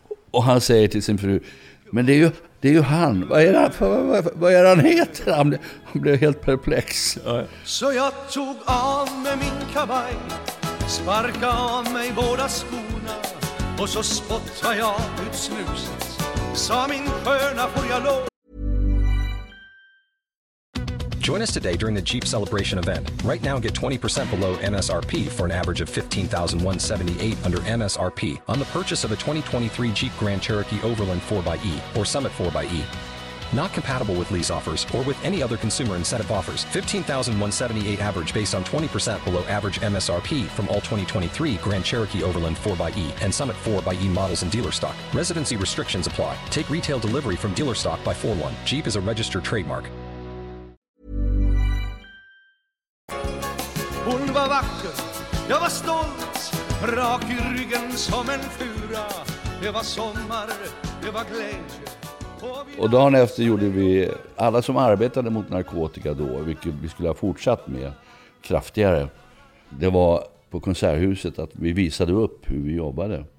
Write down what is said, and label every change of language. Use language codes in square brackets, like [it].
[sv] Och han säger till sin fru, men det är ju han, vad är han heter? Han blev helt perplex. Så jag tog av mig min kavaj, sparkade av mig båda skorna, och så spottade jag ut snuset, sa min sköna, får jag lov. [en] Join us today during the Jeep Celebration event. Right now, get 20% below MSRP for an average of $15,178 under MSRP on the purchase of a 2023 Jeep Grand Cherokee Overland 4xe or Summit 4xe. Not compatible with lease offers or with any other consumer incentive offers. $15,178 average based on 20% below average MSRP from all 2023 Grand Cherokee Overland 4xe and Summit 4xe models in dealer stock. Residency restrictions apply. Take retail delivery from dealer stock by 4/1. Jeep is a registered trademark. [sv] Hon var vacker, jag var stolt, rak i ryggen som en fura. Det var sommar, det var glädje. Och dagen efter gjorde vi, alla som arbetade mot narkotika då, vilket vi skulle ha fortsatt med kraftigare, det var på konserthuset att vi visade upp hur vi jobbade.